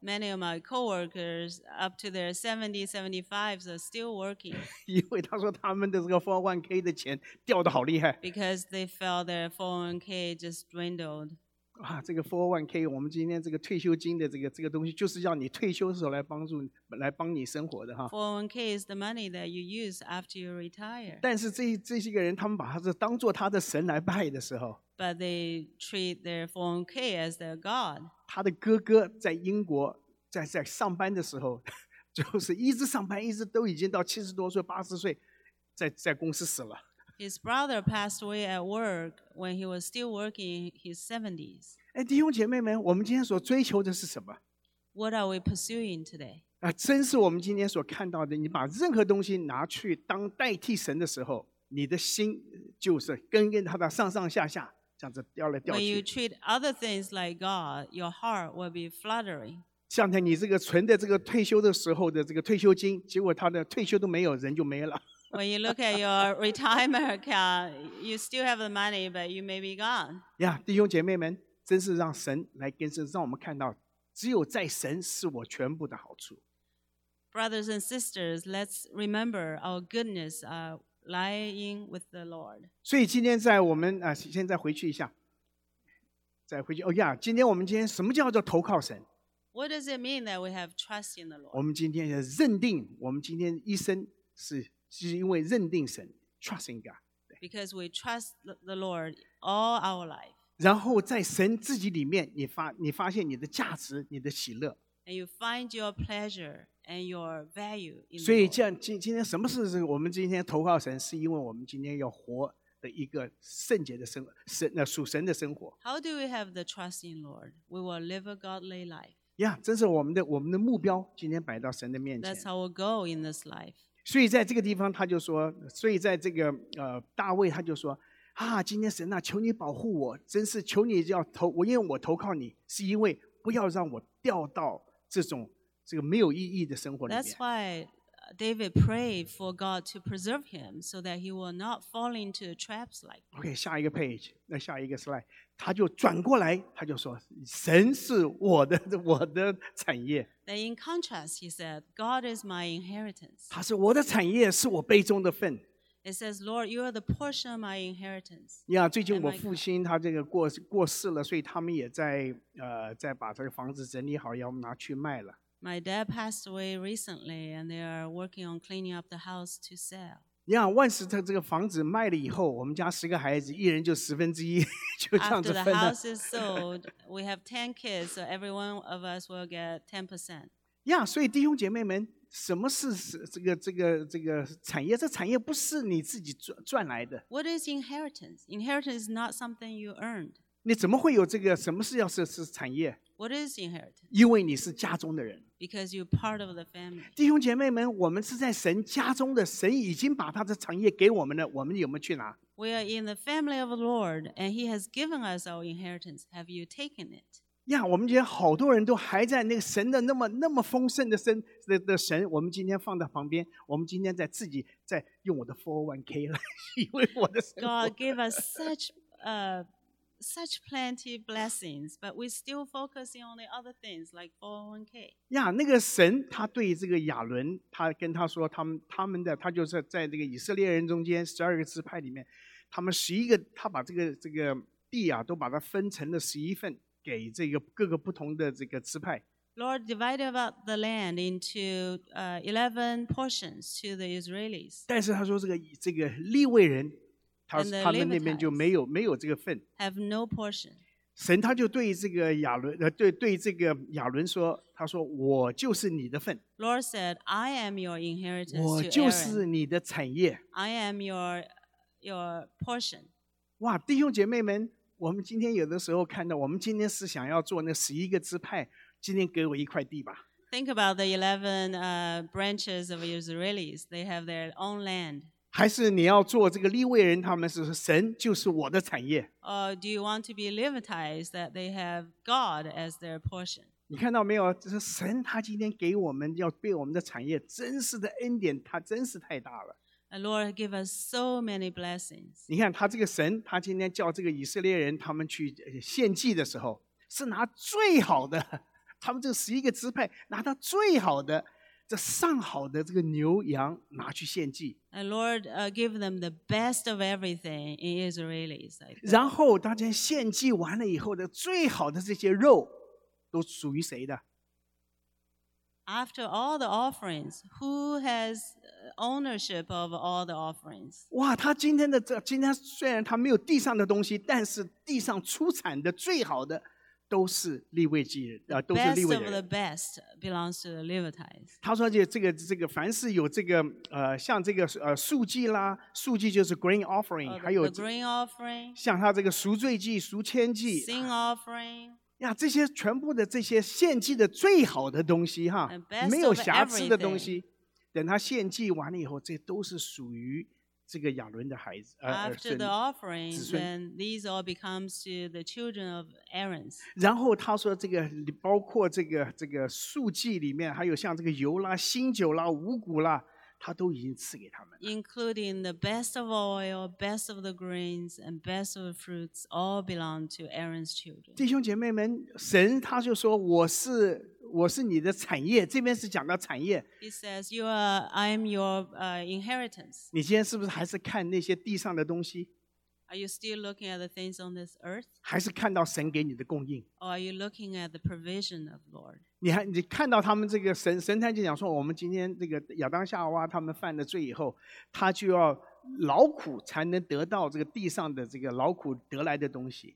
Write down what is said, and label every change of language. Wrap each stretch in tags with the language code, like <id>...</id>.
<en>Many of my coworkers up to their 70s, 75s are still working.</en> <zh>因为他说他们的这个 401k 的钱掉得好厉害。</zh> <en>Because they felt their 401k just dwindled.</en> <zh>啊，这个 401k， 我们今天这个退休金的这个东西，就是要你退休的时候来帮你生活的哈。</zh> <en>401k is the money that you use after you retire.</en> <zh>但是这些个人，他们把他是当做他的神来拜的时候。</zh> <en>But they treat their 401k as their god.</en> <zh>他的哥哥在英国在上班的时候，就是一直上班，一直都已经到70多岁、80岁，在公司死了。</zh> <en>His brother passed away at work when he was still working in his 70s.</en> <zh>哎，弟兄姐妹们，我们今天所追求的是什么</zh> <en>？What are we pursuing today？</en> <zh>啊，真是我们今天所看到的，你把任何东西拿去当代替神的时候，你的心就是跟跟他的上上下下这样子掉来掉去。</zh> <en>When you treat other things like God, your heart will be fluttering.</en> <zh>像你这个存的这个退休的时候的这个退休金，结果他的退休都没有，人就没了。</zh> <en>When you look at your retirement account, you still have the money, but you may be gone.</en> <zh>Yeah, 弟兄姐妹们，真是让神来更深，让我们看到，只有在神是我全部的好处。</zh> <en>Brothers and sisters, let's remember our goodness. Lying with the Lord.</en> <zh>所以今天在我们啊，现在回去一下，再回去。哦呀，今天我们今天什么叫做投靠神</zh> <en>？What does it mean that we have trust in the Lord？</en> <zh>我们今天认定，我们今天一生是因为认定神 ，</zh> <en>trust in God。 Because we trust the Lord all our life.</en> <zh>然后在神自己里面，你发现你的价值，你的喜乐。</zh> <en>And you find your pleasure. And your value in the Lord.</en> <zh>所以这样今天什么事是我们今天投靠神是因为我们今天要活的一个圣洁的生神属神的生活</zh> <en>How do we have the trust in Lord? We will live a godly life.</en> <zh>Yeah, 这是我们的目标今天摆到神的面前</zh> <en>That's our goal in this life.</en> <zh>所以在这个地方他就说所以在这个大卫他就说啊今天神啊求你保护我真是求你要投我因为我投靠你是因为不要让我掉到这种这个没有意义的生活里面。</zh> <en>That's why David prayed for God to preserve him so that he will not fall into traps like</en> <zh>that. Okay, 下一个 page, 那下一个 slide, 他就转过来他就说神是我的产业。</zh> <en>Then in contrast, he said, God is my inheritance.</en> <zh>他说我的产业是我杯中的份。</zh> <en>It says, Lord, you are the portion of my inheritance.</en> <zh>Yeah, 最近我父亲他这个过世了所以他们也在把这个房子整理好要拿去卖了。</zh> <en>My dad passed away recently, and they are working on cleaning up the house to sell.</en> <zh>Yeah, 万事他这个房子卖了以后，我们家十个孩子，一人就十分之一，就这样子分了。</zh> <en>After the house is sold, we have 10 kids, so every one of us will get 10%.</en> <zh>Yeah, 所以弟兄姐妹们，什么是这个产业？这产业不是你自己赚来的。</zh> <en>What is inheritance? Inheritance is not something you earned.</en> <zh>你怎么会有这个？什么是要是产业？</zh> <en>What is inheritance?</en> <zh>因为你是家中的人。</zh> <en>Because you're part of the family.</en> <zh>弟兄姐妹们，我们是在神家中的，神已经把他的产业给我们了，我们有没有去拿</zh> <en>？We are in the family of the Lord, and He has given us our inheritance. Have you taken it?</en> <zh>呀，我们今天好多人都还在那个神的那么丰盛的神，我们今天放在旁边，我们今天在自己在用我的 401k 来，因为我的生活。</zh> <en>God gave us such plenty of blessings, but we're still focusing on the other things like 401k.</en> <zh>Yeah, 那个神他对这个亚伦，他跟他说，他们的，他就是在这个以色列人中间十二个支派里面，他们十一个，他把这个地啊，都把它分成了十一份给这个各个不同的这个支派。</zh> <en>Lord divided up the land into 11 portions to the Israelis.</en> <zh>但是他说这个利未人。他们那边就没有这个份</zh> <en>，have no portion。</en> <zh>神他就对这个亚伦，对这个亚伦说，他说我就是你的份。</zh> <en>Lord said, I am your inheritance to Aaron。</en> <zh>我就是你的产业。</zh> <en>I am your portion。</en> <zh>哇，弟兄姐妹们，我们今天有的时候看到，我们今天是想要做那十一个支派，今天给我一块地吧。</zh> <en>Think about the 11 branches of Israelis. They have their own land.</en> <zh>还是你要做这个利未人？他们是神就是我的产业。</zh> <en>Do you want to be Levitized that they have God as their portion?</en> <zh>你看到没有？就是神他今天给我们要被我们的产业，真实的恩典，他真是太大了。</zh> <en>Lord give us so many blessings.</en> <zh>你看他这个神，他今天叫这个以色列人他们去献祭的时候，是拿最好的，他们这十一个支派拿到最好的。这上好的这个牛羊拿去献祭</zh> <en>And Lord, give them the best of everything in Israelis.</en> <zh>然后大家献祭完了以后的最好的这些肉都属于谁的</zh> <en>After all the offerings, who has ownership of all the offerings?</en> <zh>哇他今天虽然他没有地上的东西但是地上出产的最好的都是利未祭人，都是利未人。</zh> <en>Best of the best belongs to the Levites.</en> <zh>他说这个凡是有这个像这个素祭啦，素祭就是</zh> <en>grain offering，</en> <zh>还有</zh> <en>the grain offering，</en> <zh>像他这个赎罪祭、赎愆祭</zh> <en>，sin offering，</en> <zh>呀，这些全部的这些献祭的最好的东西哈，没有瑕疵的东西，等他献祭完了以后，这都是属于这个亚伦的孩子</zh> <en>After the offering, then these all become to the children of Aaron.</en> <zh>然后他说这个包括这个素祭里面还有像这个油啦新酒啦五谷啦他都已经赐给他们了。</zh> <en>Including the best of oil, best of the grains, and best of the fruits all belong to Aaron's children.</en> <zh>弟兄姐妹们神他就说我是你的产业这边是讲到产业。</zh> <en>He says, you are, I'm your inheritance.</en> <zh>你今天是不是还是看那些地上的东西</zh> <en>Are you still looking at the things on this earth?</en> <zh>还是看到神给你的供应</zh> <en>Or are you looking at the provision of the Lord?</en> <zh>你看到他们这个神他就讲说我们今天这个亚当夏娃他们犯了罪以后他就要劳苦才能得到这个地上的这个劳苦得来的东西。</zh>